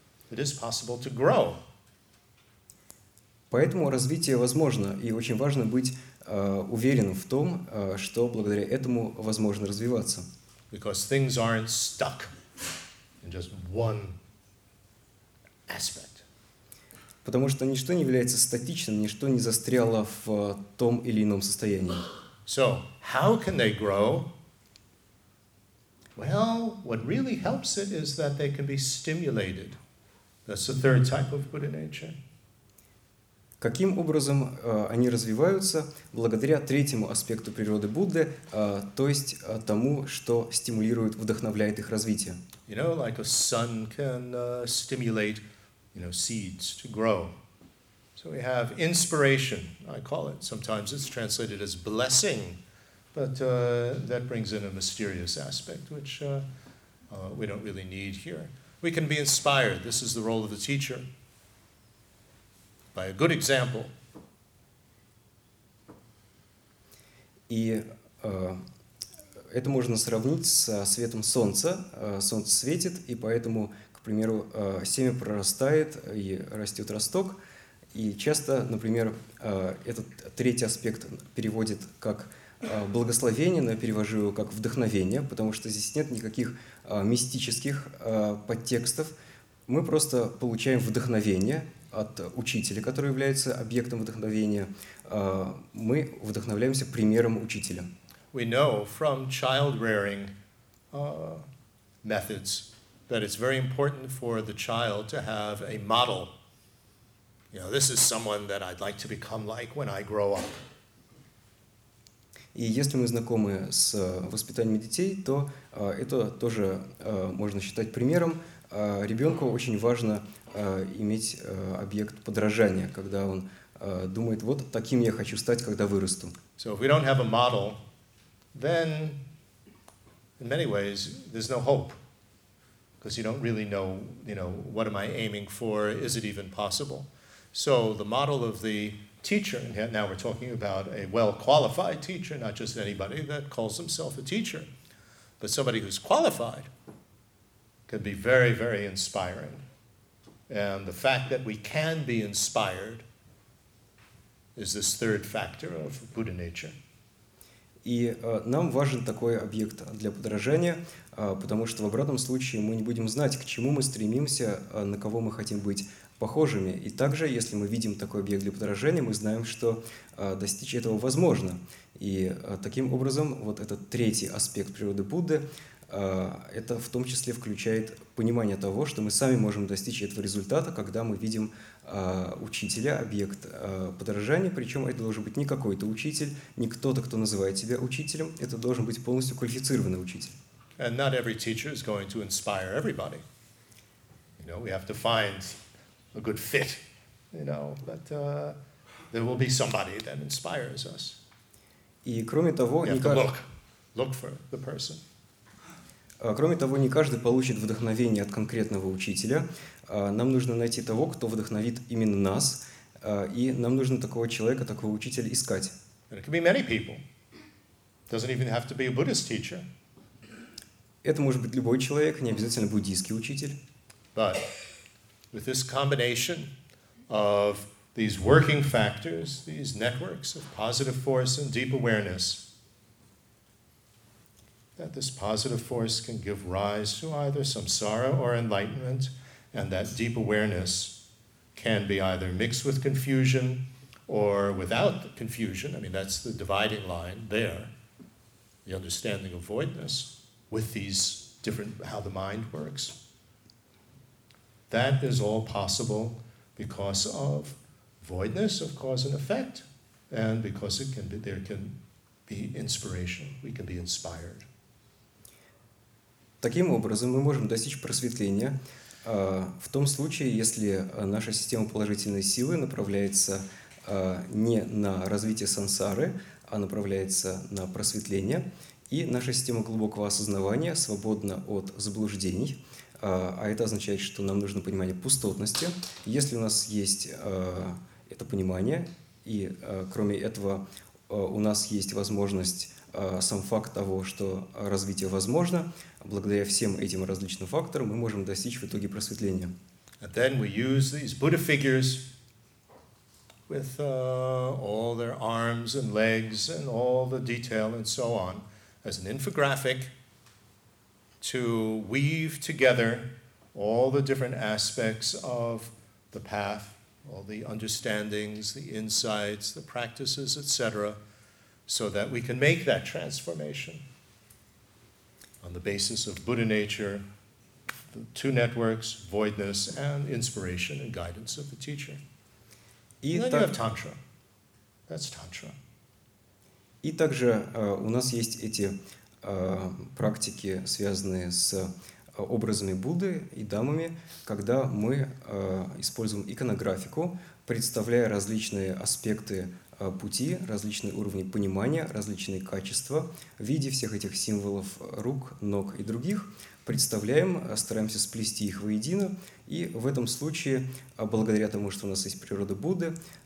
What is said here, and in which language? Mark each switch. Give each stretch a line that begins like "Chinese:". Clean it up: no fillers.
English: It is possible to grow.
Russian: Поэтому развитие возможно, и очень важно быть уверенным в том, что благодаря этому возможно развиваться.
English: Because things aren't stuck in just one aspect.
Russian: Потому что ничто не является статичным, ничто не застряло в том или ином состоянии.
English: So, how can they grow? Well, what really helps it is that they can be stimulated. That's the third type of Buddha nature.
Russian: Каким образом они развиваются? Благодаря третьему аспекту природы Будды, то есть тому, что стимулирует, вдохновляет их развитие.
English: You know, like a sun can stimulate, you know, seeds to grow. So we have inspiration, I call it. Sometimes it's translated as blessing, but that brings in a mysterious aspect, which we don't really need here. We can be inspired. This is the role of the teacher. By a good example.
Russian: И это можно сравнить со светом солнца. Солнце светит, и поэтому, к примеру, семя прорастает и растет росток. И часто, например, этот третий аспект переводит как благословение, но я перевожу его как вдохновение, потому что здесь нет никаких мистических подтекстов. Мы просто получаем вдохновение от учителя, который является объектом вдохновения. Мы вдохновляемся примером учителя.
English: We know from child-rearing methods that it's very important for the child to have a model. You know, this is someone that I'd like to become like when I grow up.
Russian: И если мы знакомы с воспитанием детей, то это тоже можно считать примером. Ребенку очень важно иметь объект подражания, когда он думает, вот таким я хочу стать, когда вырасту.
English: So if we don't have a model, then in many ways there's no hope. Because you don't really know, you know, what am I aiming for, is it even possible? So the model of the teacher, and now we're talking about a well-qualified teacher, not just anybody that calls himself a teacher, but somebody who's qualified, can be very, very inspiring. And the fact that we can be inspired is this third factor of Buddha nature.
Russian: И нам важен такой объект для подражания, потому что в обратном случае мы не будем знать, к чему мы стремимся, на кого мы хотим быть похожими. И также, если мы видим такой объект для подражания, мы знаем, что достичь этого возможно. И таким образом, вот этот третий аспект природы Будды, это в том числе включает понимание того, что мы сами можем достичь этого результата, когда мы видим учителя, объект подражания, причем это должен быть не какой-то учитель, не кто-то, кто называет себя учителем, это должен быть полностью квалифицированный учитель.
English: And not every teacher is going to inspire everybody. You know, we have to find a good fit, you know, but there will be somebody that inspires us.
Russian: И кроме того,
English: you have to look for the person.
Russian: Кроме того, не каждый получит вдохновение от конкретного учителя. Нам нужно найти того, кто вдохновит именно нас, и нам нужно такого человека, такого учителя искать.
English: And it can be many people. Doesn't even have to be a Buddhist teacher.
Russian: Это может быть любой человек, не обязательно буддийский учитель.
English: But with this combination of these working factors, these networks of positive force and deep awareness, that this positive force can give rise to either samsara or enlightenment, and that deep awareness can be either mixed with confusion or without confusion. I mean, that's the dividing line there, the understanding of voidness with these different, how the mind works. That is all possible because of voidness, of cause and effect, and because it can be, there can be inspiration. We can be inspired.
Russian: Таким образом, мы можем достичь просветления в том случае, если наша система положительной силы направляется не на развитие сансары, а направляется на просветление, и наша система глубокого осознавания свободна от заблуждений. А это означает, что нам нужно понимание пустотности. Если у нас есть это понимание, и кроме этого у нас есть возможность, сам факт того, что развитие возможно, благодаря всем этим различным факторам мы можем достичь в итоге просветления.
English: And then we use these Buddha figures with all their arms and legs and all the detail and so on as an infographic to weave together all the different aspects of the path all the understandings, the insights, the practices, etc., so that we can make that transformation on the basis of Buddha nature, the two networks, voidness, and inspiration and guidance of the teacher. И and then you have Tantra. That's Tantra.
Russian: И также у нас есть эти практики, связанные с образами Будды и дамами, когда мы используем иконографику, представляя различные аспекты пути, различные уровни понимания, различные качества в виде всех этих символов рук, ног и других, представляем, стараемся сплести их воедино, и в этом случае, благодаря тому, что у нас есть природа Будды,